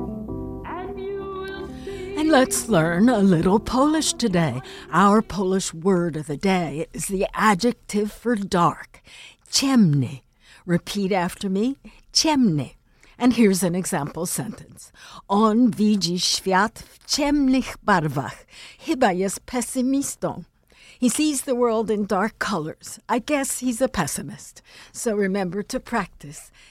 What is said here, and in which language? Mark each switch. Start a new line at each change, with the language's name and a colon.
English: let's learn a little Polish today. Our Polish word of the day is the adjective for dark, ciemny. Repeat after me, ciemny. And here's an example sentence.
Polish: On widzi świat w ciemnych barwach. Chyba jest pesymistą.
English: He sees the world in dark colors. I guess he's a pessimist. So remember to practice.